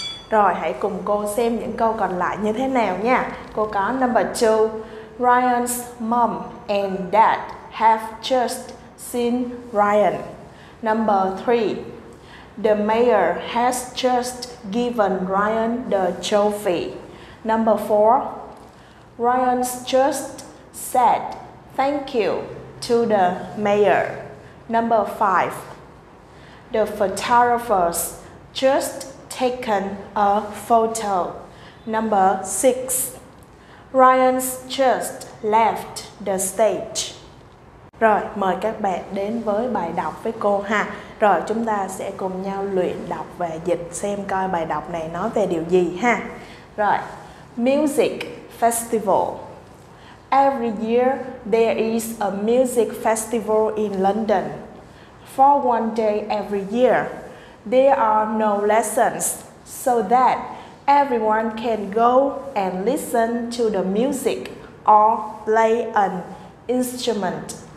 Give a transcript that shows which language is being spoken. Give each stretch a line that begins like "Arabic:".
Vietnamese: Rồi hãy cùng cô xem những câu còn lại như thế nào nha. Cô có number 2.
English: Ryan's mom and dad have just seen Ryan. Number 3. The mayor has just given Ryan the trophy. Number 4. Ryan's just said thank you to the mayor. Number 5. The photographer's just taken a photo. Number 6. Ryan's just left the stage.
Vietnamese: Rồi, mời các bạn đến với bài đọc với cô ha. Rồi, chúng ta sẽ cùng nhau luyện đọc và dịch xem coi bài đọc này nói về điều gì ha.
English: Rồi, Music Festival. Every year there is a music festival in London. For one day every year, there are no lessons so that everyone can go and listen to the music or play an instrument.